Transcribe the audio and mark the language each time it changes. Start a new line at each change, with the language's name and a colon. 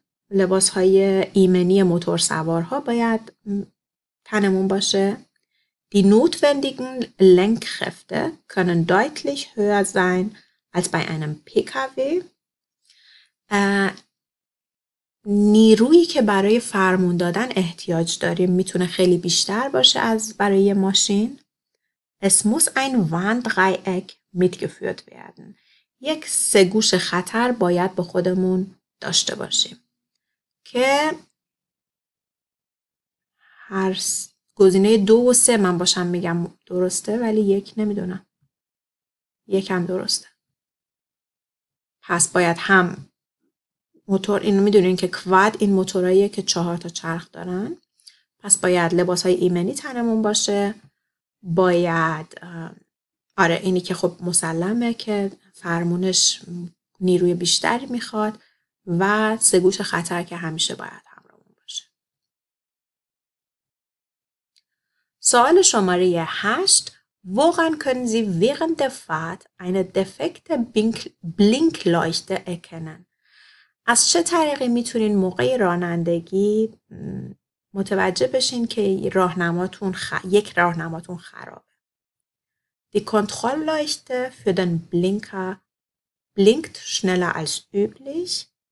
Persian: لباس های ایمنی موتورسوارها باید تنمون باشه.
German: Die notwendigen Lenkkräfte können deutlich höher sein als bei einem PKW.
Persian: نیرویی که برای فرمون دادن احتیاج داریم میتونه خیلی بیشتر باشه از برای ماشین.
German: Es muss ein Warndreieck mitgeführt werden.
Persian: یک سه گوش خطر باید با خودمون داشته باشیم. که هر گزینه 2 و 3 من باشم میگم درسته، ولی یک نمیدونم. یکم درسته. پس باید هم موتور، اینو میدونین که کواد این موتورهاییه که 4 تا چرخ دارن. پس باید لباس های ایمنی تنمون باشه. باید آره، اینی که خب مسلمه که فرمونش نیروی بیشتر میخواد و سه گوش خطر که همیشه باید همراهمون باشه. سوال شماره 8:
German: Woran können Sie während der Fahrt eine defekte Blinkleuchte erkennen?
Persian: از چه طریقی میتونین موقع رانندگی متوجه بشین که یک راهنماتون خرابه؟
German: Die Kontrollleuchte für den Blinker blinkt schneller als üblich.